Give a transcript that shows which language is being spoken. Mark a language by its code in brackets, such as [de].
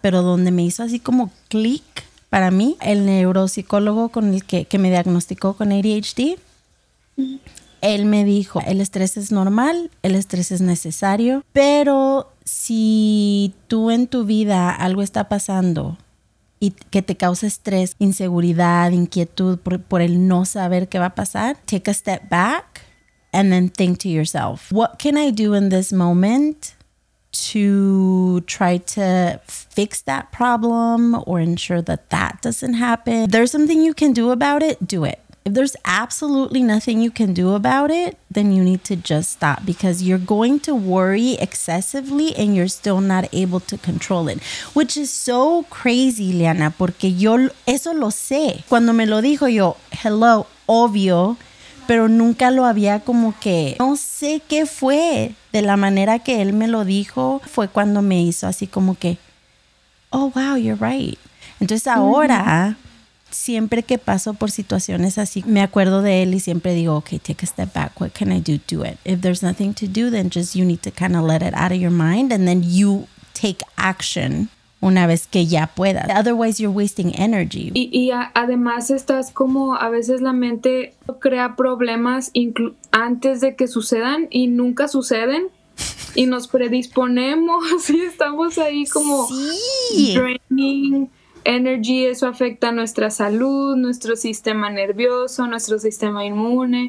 [es] Pero donde me hizo así como clic para mí, el neuropsicólogo con el que me diagnosticó con ADHD, él me dijo, el estrés es normal, el estrés es necesario, pero si tú en tu vida algo está pasando y que te causa estrés, inseguridad, inquietud por el no saber qué va a pasar, [en] take a step back. And then think to yourself, what can I do in this moment to try to fix that problem or ensure that that doesn't happen? If there's something you can do about it, do it. If there's absolutely nothing you can do about it, then you need to just stop, because you're going to worry excessively and you're still not able to control it. Which is so crazy, [es] Liana, porque yo eso lo sé. Cuando me lo dijo yo, hello, obvio. Pero nunca lo había como que, no sé qué fue, de la manera que él me lo dijo, fue cuando me hizo así como que, [en] oh, wow, you're right. [es] Entonces ahora, siempre que paso por situaciones así, me acuerdo de él y siempre digo, [en] okay, take a step back, what can I do to it? If there's nothing to do, then just you need to kind of let it out of your mind and then you take action. [es] Una vez que ya puedas. [en] Otherwise you're wasting energy. [es] Y además estás como, a veces la mente crea problemas antes de que sucedan y nunca suceden y nos predisponemos y estamos ahí como [en] draining energy. [es] Eso afecta nuestra salud, nuestro sistema nervioso, nuestro sistema inmune.